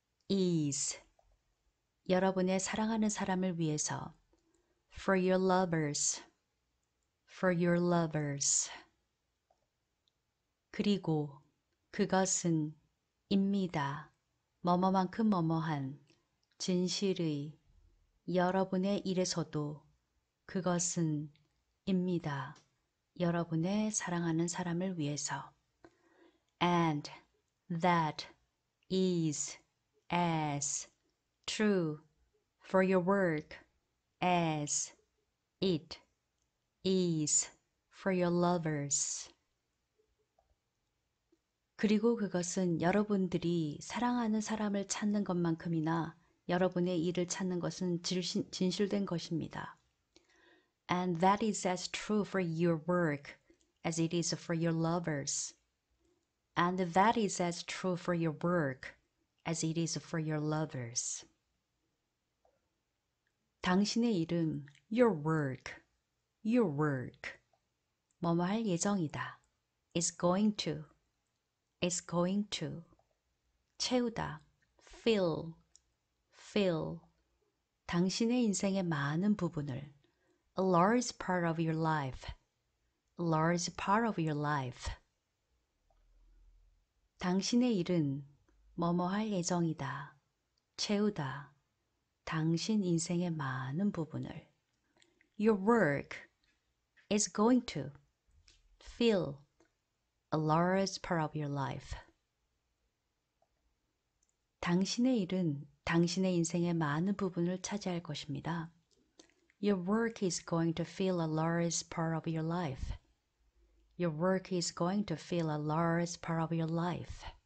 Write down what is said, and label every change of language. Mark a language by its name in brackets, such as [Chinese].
[Korean] is 여러분의 사랑하는 사람을 위해서 [English] for your lovers [Korean] 그리고 그것은 입니다. 뭐뭐만큼 뭐뭐한 진실의 여러분의 일에서도 그것은 입니다. 여러분의 사랑하는 사람을 위해서. [English] And that is as true for your work as it is for your lovers. [Korean] 그리고 그것은 여러분들이 사랑하는 사람을 찾는 것만큼이나 여러분의 일을 찾는 것은 진실된 것입니다. [English] And that is as true for your work as it is for your lovers. And that is as true for your work as it is for your lovers. [Korean] 당신의 이름, [English] your work, [Korean] 뭐뭐 할 예정이다. [English] is going to [Korean] 채우다 [English] fill [Korean] 당신의 인생의 많은 부분을 [English] a large part of your life [Korean] 당신의 일은 뭐뭐 할 예정이다 채우다 당신 인생의 많은 부분을 [English] your work is going to fill a large part of your life. [Korean] 당신의 일은 당신의 인생의 많은 부분을 차지할 것입니다. [English] Your work is going to fill a large part of your life. Your work is going to fill a large part of your life.